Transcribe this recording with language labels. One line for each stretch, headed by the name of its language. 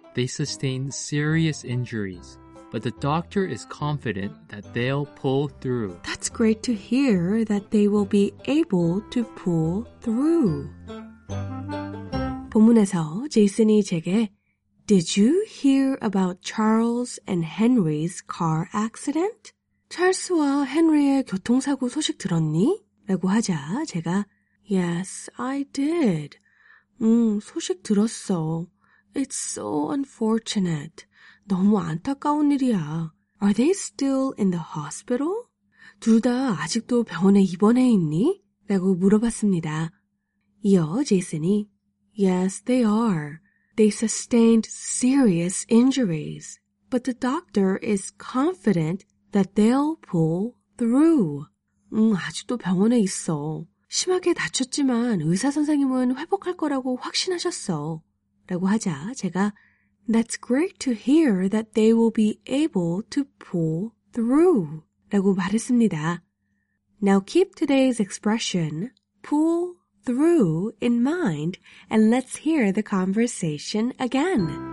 English: They sustained serious injuries. But the doctor is confident that they'll pull through. That's great to hear that they will be able to pull through.
Korean: 본문에서 제이슨이 제게
English: Did you hear about Charles and Henry's car accident?
Korean: 찰스와 헨리의 교통사고 소식 들었니? 라고 하자 제가
English: Yes, I did.
Korean: 소식 들었어.
English: It's so unfortunate.
Korean: 너무 안타까운 일이야.
English: Are they still in the hospital?
Korean: 둘 다 아직도 병원에 입원해 있니? 라고 물어봤습니다. 이어 제이슨이
English: Yes, they are. They sustained serious injuries. But the doctor is confident that they'll pull through.
Korean: 아직도 병원에 있어. 심하게 다쳤지만 의사 선생님은 회복할 거라고 확신하셨어. 라고 하자 제가
English: That's great to hear that they will be able to pull through.
Korean: 라고 말했습니다.
English: Now keep today's expression, pull through, in mind, and let's hear the conversation again.